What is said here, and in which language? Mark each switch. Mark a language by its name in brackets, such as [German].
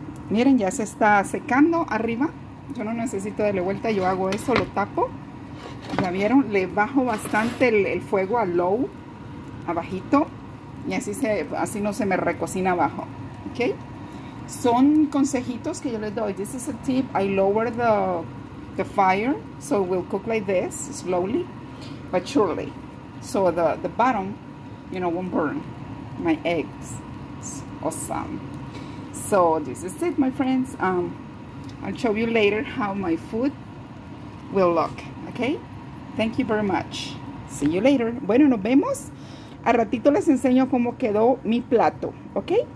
[Spanish] Miren, ya se está secando arriba. Yo no necesito darle vuelta, yo hago eso, lo tapo. Ya vieron, le bajo bastante el fuego a low, abajito, y así no se me recocina abajo. Ok, son consejitos que yo les doy. [English] This is a tip. I lower the fire, so it will cook like this, slowly but surely, so the bottom, you know, won't burn my eggs. It's awesome. So this is it, my friends. I'll show you later how my food will look. Okay, thank you very much. See you later. [Spanish] Bueno, nos vemos. A ratito les enseño cómo quedó mi plato, ¿ok?